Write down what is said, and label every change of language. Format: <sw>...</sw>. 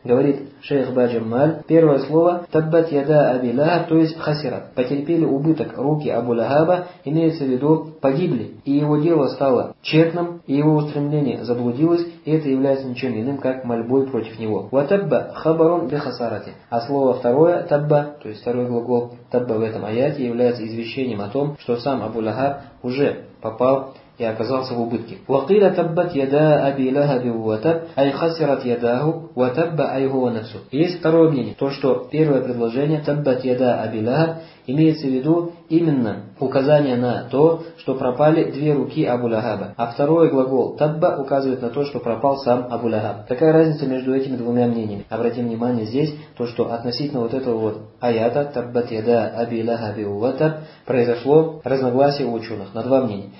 <ru>Говорит шейх Баджаммаль. Первое слово</ru> <ar>«таббат яда Аби Лахаб»,</ar> <ru>то есть</ru> <ar>«хасират»,</ar> <ru>«потерпели убыток руки Абу Лахаба», имеется в виду «погибли», и его дело стало тщетным, и его устремление заблудилось, и это является ничем иным, как мольбой против него.</ru> <ar>«Ватабба хабарон бихасарати».</ar> <ru>А слово второе «табба», то есть второй глагол «табба» в этом аяте, является извещением о том, что сам Абу Лахаб уже попал и оказался в убытке.</ru> <ar>وقيل تبت يدا أبي لهب وتب أي خسرت يداه وتب أي هو نفسه.</ar> <ru>Есть второе мнение, то что первое предложение</ru> <ar>تبت يدا أبي لهب</ar> <ru>имеется в виду именно указание на то, что пропали две руки Абу Лахаба. А второй глагол «табба» указывает на то, что пропал сам Абу Лахаб. Какая разница между этими двумя мнениями? Обратим внимание здесь, то что относительно вот этого вот аята</ru> <ar>«таббат яда Аби Лахаби уватаб»</ar> <ru>произошло разногласие у ученых на два мнения.</ru>